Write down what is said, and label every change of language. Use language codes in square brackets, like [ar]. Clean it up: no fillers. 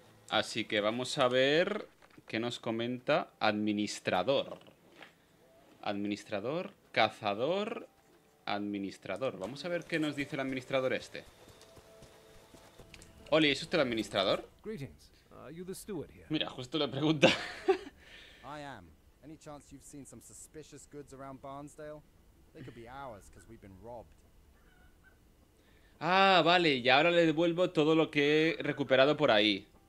[es] Así que vamos a ver qué nos comenta administrador. Administrador, cazador, administrador. Vamos a ver qué nos dice el administrador este. Oli, ¿es usted el administrador? [en] Greetings. Are you the steward here? [es] Mira, justo le pregunta. [en] I am. Any chance you've seen some suspicious goods around Barnsdale? They could be ours, because we've been robbed. [es] Ah, vale, y ahora le devuelvo todo lo que he recuperado por ahí.